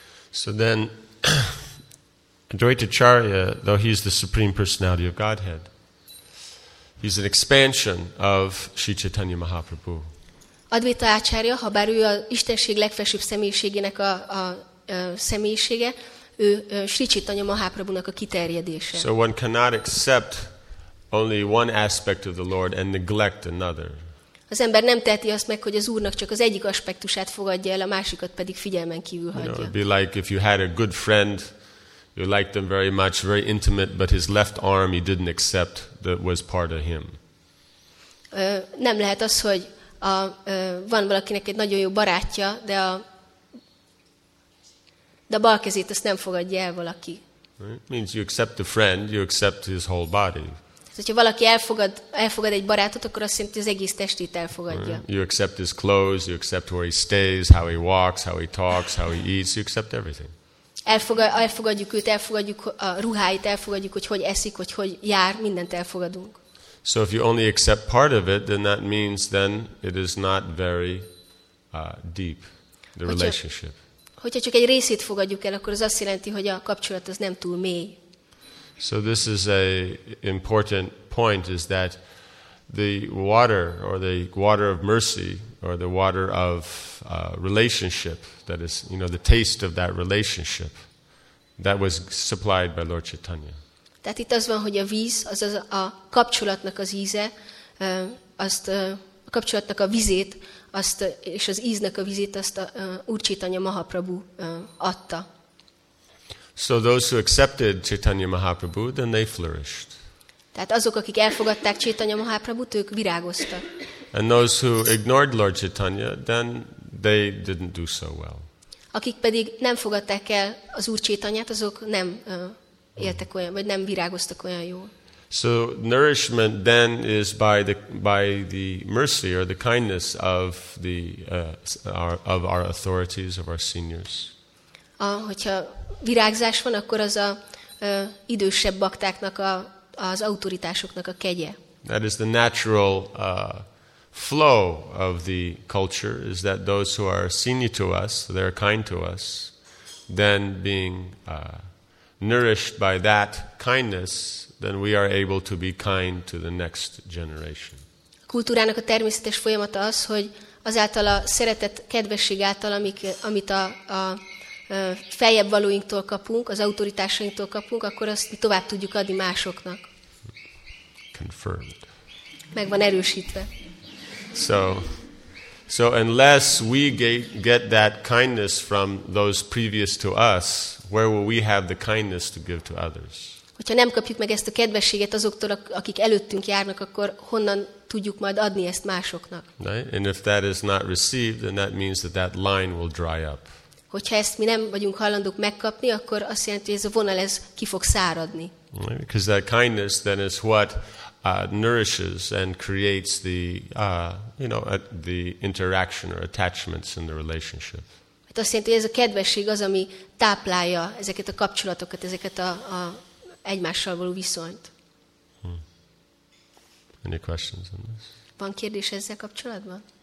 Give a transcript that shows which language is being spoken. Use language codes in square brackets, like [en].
[en] So then, Advaita Acharya, though he is the Supreme Personality of Godhead, he's an expansion of Sri Chaitanya Mahaprabhu. [hu] Advaita Acharya, ha bár ő az Istenség legfelsőbb személyiségének a személyisége, ő Sri Chaitanya Mahaprabhunak a kiterjedése. [en] So one cannot accept only one aspect of the Lord and neglect another. [hu] Az ember nem teheti azt meg, hogy az Úrnak csak az egyik aspektusát fogadja el, a másikat pedig figyelmen kívül hagyja. [en] You know, it'd be like if you had a good friend, you liked them very much, very intimate, but his left arm you didn't accept that was part of him. [hu] Nem lehet az, hogy van valakinek egy nagyon jó barátja, de a bal kezét azt nem fogadja el valaki. [en] It means you accept a friend, you accept his whole body. [hu] Tehát, ha valaki elfogad egy barátot, akkor azt jelenti, az egész testét elfogadja. [en] You accept his clothes, you accept where he stays, how he walks, how he talks, how he eats, you accept everything. [hu] Elfogadjuk őt, elfogadjuk a ruháit, elfogadjuk, hogy hogy eszik, hogy hogy jár, mindent elfogadunk. [en] So if you only accept part of it, then that means then it is not very deep, the relationship. [hu] Hogyha csak egy részét fogadjuk el, akkor az azt jelenti, hogy a kapcsolat az nem túl mély. [en] So this is a important point, is that the water, or the water of mercy, or the water of relationship, that is, you know, the taste of that relationship, that was supplied by Lord Chaitanya. [hu] Tehát itt az van, hogy a víz, azaz a kapcsolatnak az íze, azt a kapcsolatnak a vizét, azt és az íznek a vizét, azt Úr Chaitanya Mahaprabhu adta. [en] So those who accepted Chaitanya Mahaprabhu, then they flourished. [hu] Tehát azok, akik elfogadták Chaitanya Mahaprabhut, ők virágoztak. [en] And those who ignored Lord Chaitanya, then they didn't do so well. [hu] Akik pedig nem fogadták el az Úr Chaitanyát, azok nem éltek olyan, vagy nem virágoztak olyan jól. [en] So nourishment then is by the mercy or the kindness of our authorities, of our seniors. [hu] Hogyha virágzás van, akkor az a idősebb baktáknak, az autoritásoknak a kegye. [en] That is the natural flow of the culture, is that those who are senior to us, they are kind to us, then being nourished by that kindness, then we are able to be kind to the next generation. [hu] A kultúrának a természetes folyamata az, hogy azáltal a szeretet, kedvesség által, amit a feljebb valóinktól kapunk, az autoritásainktól kapunk, akkor azt tovább tudjuk adni másoknak. [en] Confirmed. [hu] Meg van erősítve. [en] So unless we get that kindness from those previous to us, where will we have the kindness to give to others? [hu] Hogyha nem kapjuk meg ezt a kedvességet azoktól, akik előttünk járnak, akkor honnan tudjuk majd adni ezt másoknak? [en] Right? And if that is not received, then that means that line will dry up. [hu] Hogyha ezt mi nem vagyunk hajlandók megkapni, akkor azt jelenti, hogy ez a vonal ez ki fog száradni. [en] Because that kindness then is what nourishes and creates the the interaction or attachments in the relationship. [hu] Hát azt jelenti, hogy ez a kedvesség az, ami táplálja ezeket a kapcsolatokat, ezeket a egymással való viszonyt. [en] Any questions on this? [hu] Van kérdés ezzel kapcsolatban?